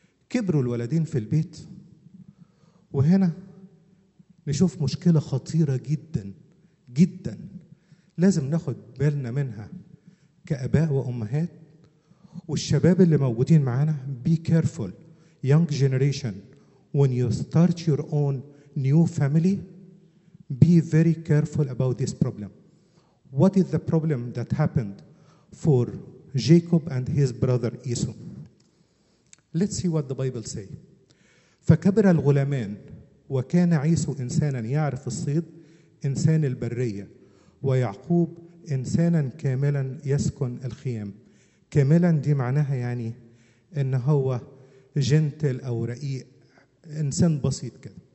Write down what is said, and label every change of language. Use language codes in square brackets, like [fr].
[ar] كبروا الولدين في البيت، وهنا نشوف مشكلة خطيرة جدا جدا لازم ناخد بالنا منها كأباء وأمهات والشباب اللي موجودين معانا. [en] Be careful young generation when you start your own new family. Be very careful about this problem. What is the problem that happened for Jacob and his brother Esau? Let's see what the Bible say. [ar] فكبر الغلامان وكان عيسو إنسانا يعرف الصيد، إنسان البرية، ويعقوب إنسانا كاملا يسكن الخيام. كاملا دي معناها يعني إن هو جنتل أو رقيق، إنسان بسيط كده.